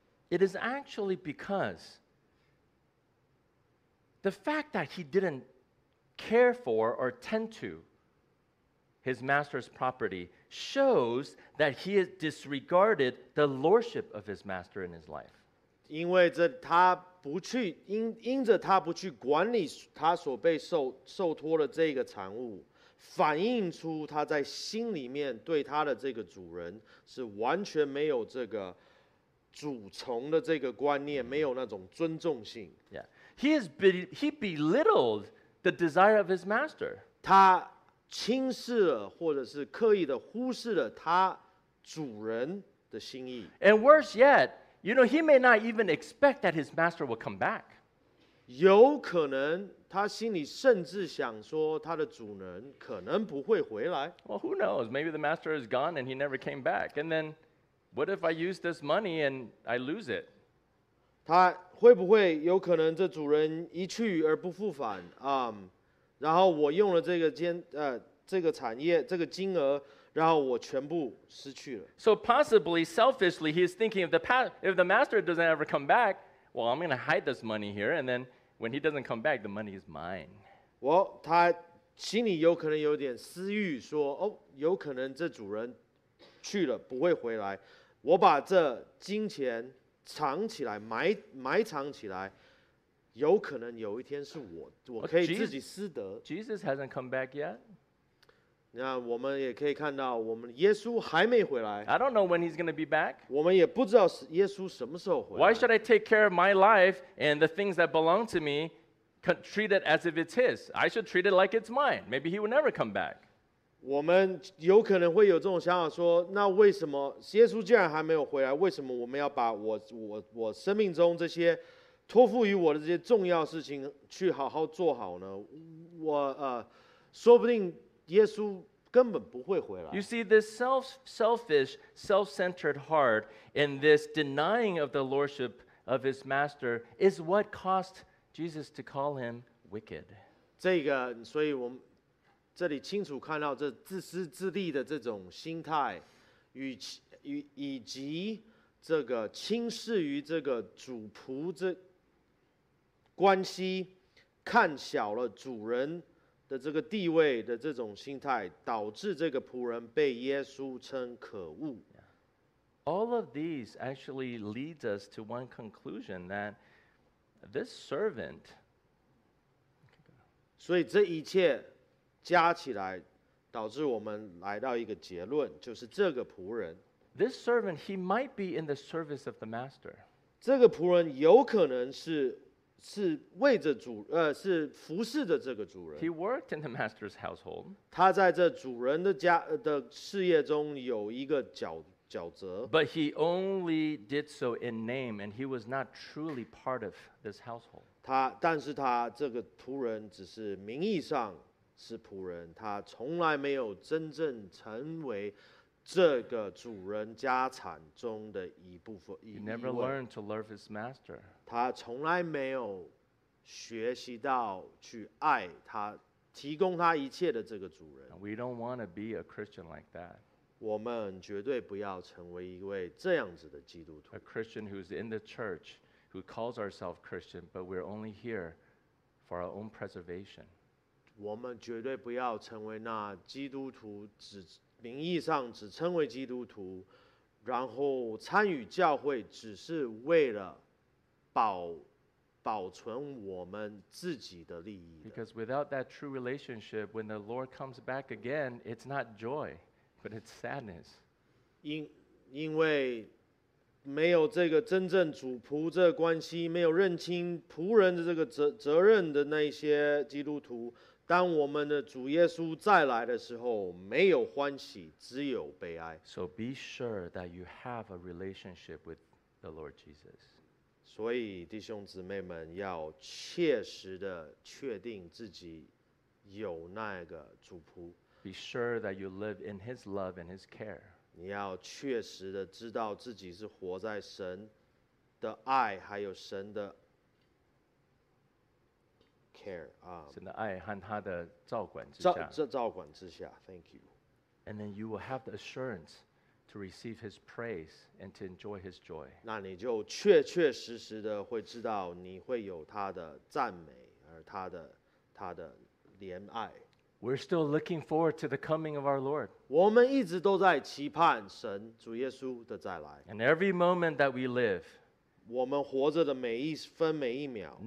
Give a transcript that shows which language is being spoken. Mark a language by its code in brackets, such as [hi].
[en] It is actually because the fact that he didn't care for or tend to his master's property shows that he has disregarded the lordship of his master in his life. [zh] 因为这他不去 因着他不去管理他所被 受托的这个产物，反映出他在心里面对他的这个主人是完全没有这个主从的这个观念，没有那种尊重性。 [en] Yeah. He belittled the desire of his master. [zh] 他轻视了或者是刻意的忽视了他主人的心意。 [en] And worse yet, you know, he may not even expect that his master will come back. [zh] 有可能他心里甚至想说他的主人可能不会回来。 [en] Well, who knows? Maybe the master is gone and he never came back. And then, what if I use this money and I lose it? [zh] 他会不会有可能这主人一去而不复返？然后我用了这个产业，这个金额，然后我全部失去了。 [en] So possibly, selfishly, he is thinking if the master doesn't ever come back, well, I'm going to hide this money here and then,when he doesn't come back, the money is mine. [zh] Well, 他心里有可能有点私欲，说哦，有可能这主人去了不会回来，我把这金钱藏起来，埋藏起来，有可能有一天是我可以自己私得。 [en] Jesus hasn't come back yet. [zh] 那我们也可以看到，我们耶稣还没回来。 [en] I don't know when he's going to be back. [zh] 我们也不知道耶稣什么时候回来。 [en] Why should I take care of my life and the things that belong to me, treat it as if it's his? I should treat it like it's mine. Maybe he will never come back. [zh] 我们有可能会有这种想法，说那为什么耶稣既然还没有回来，为什么我们要把我生命中这些托付于我的这些重要事情去好好做好呢？我说不定。耶稣根本不会回来。 [en] You see, this selfish, self-centered heart and this denying of the lordship of his master is what caused Jesus to call him wicked. [zh] 这个，所以我们这里清楚看到这自私自利的这种心态，以及这个轻视于这个主仆这关系，看小了主人。的这个地位的这种心态，导致这个仆人被耶稣称可恶。 [en] All of these actually leads us to one conclusion that this servant. [zh] 所以这一切加起来，导致我们来到一个结论，就是这个仆人。 [en] This servant, he might be in the service of the master. [zh] 这个仆人有可能是。是为着主，是服侍着这个主人。 [en] He worked in the master's household. [zh] 他在这主人的家的事业中有一个角色。 [en] But he only did so in name, and he was not truly part of this household. [zh] 但是他这个仆人只是名义上是仆人，他从来没有真正成为这个主人家产中的一部分。 [en] He never learned to love his master. [zh] 他从来没有学习到去爱他提供他一切的这个主人。 [en] We don't want to be a Christian like that. [zh] 我们绝对不要成为一位这样子的基督徒。 [en] A Christian who's in the church, who calls ourselves Christian, but we're only here for our own preservation. [zh] 我们绝对不要成为那基督徒只名义上只称为基督徒，然后参与教会只是为了保存我们自己的利益的。 [en] Because without that true relationship, when the Lord comes back again, it's not joy, but it's sadness. [zh] 因为没有这个真正主仆这个关系，没有认清仆人的这个责任的那些基督徒。当我们的主耶稣再来的时候，没有欢喜，只有悲哀。 [en] So be sure that you have a relationship with the Lord Jesus. [zh] 所以弟兄姊妹们要切实的确定自己有那个主仆。 [en] Be sure that you live in His love and His care. [zh] 你要确实的知道自己是活在神的爱，还有神的。神的爱和他的照管之下，照管之下 ， [en] Thank you. And then you will have the assurance to receive his praise and to enjoy his joy. [zh] 那你就确确实实的会知道你会有他的赞美，而他的怜爱。 [en] We're still looking forward to the coming of our Lord. [zh] 我们一直都在期盼神主耶稣的再来。 [en] And every moment that we live, [zh] 我们活着的每一分每一秒